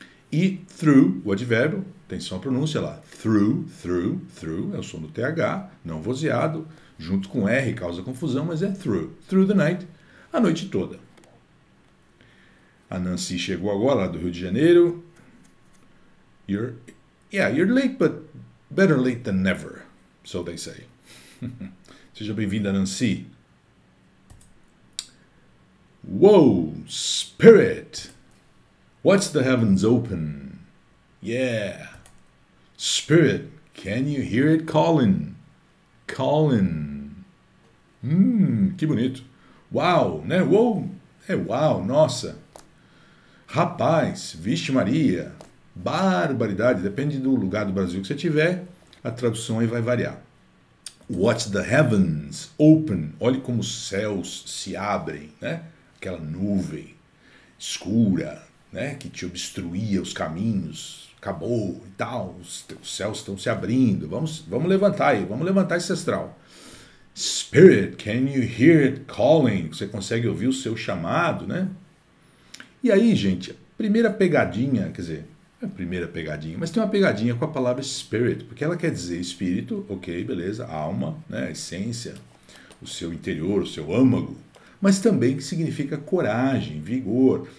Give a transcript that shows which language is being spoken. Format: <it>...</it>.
<pt>E through, o advérbio, atenção à pronúncia lá, through, é o som do TH, não vozeado, junto com R causa confusão, mas é</pt> <en>through the night,</en> <pt>a noite toda. A Nancy chegou agora lá do Rio de Janeiro.</pt> <en>You're late, but better late than never, so they say.</en> <pt>Seja bem-vinda, Nancy.</pt> <en>Whoa, spirit! What's the heavens open? Yeah! Spirit, can you hear it calling? Calling!</en> <pt>Que bonito! Uau, né? Uou! É uau, nossa! Rapaz, vixe Maria! Barbaridade! Depende do lugar do Brasil que você tiver, a tradução aí vai variar.</pt> <en>What's the heavens open?</en> <pt>Olhe como os céus se abrem, né? Aquela nuvem escura, né, que te obstruía os caminhos, acabou e tal, os céus estão se abrindo, vamos levantar aí, vamos levantar esse astral.</pt> <en>Spirit, can you hear it calling?</en> <pt>Você consegue ouvir o seu chamado, né? E aí, gente, primeira pegadinha, quer dizer, é a primeira pegadinha, mas tem uma pegadinha com a palavra spirit, porque ela quer dizer espírito, ok, beleza, alma, né, essência, o seu interior, o seu âmago, mas também que significa coragem, vigor.</pt>